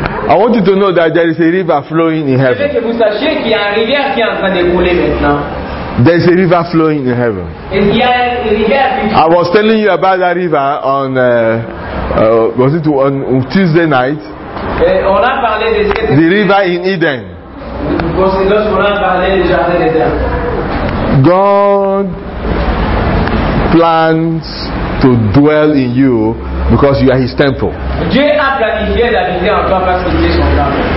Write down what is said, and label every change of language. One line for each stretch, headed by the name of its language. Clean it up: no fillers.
English: I want you to know that there is a river flowing in heaven.
French: Je veux que vous sachiez qu'il y a une rivière qui est en train de couler maintenant.
English: There is a river flowing in heaven. I was telling you about that river on Tuesday night.
French: On a parlé de cette
English: the river in Eden.
French: On a parlé du jardin d'Eden.
English: God plans to dwell in you because you are His temple.
French: Dieu a planifié d'habiter en toi parce que tu es son temple.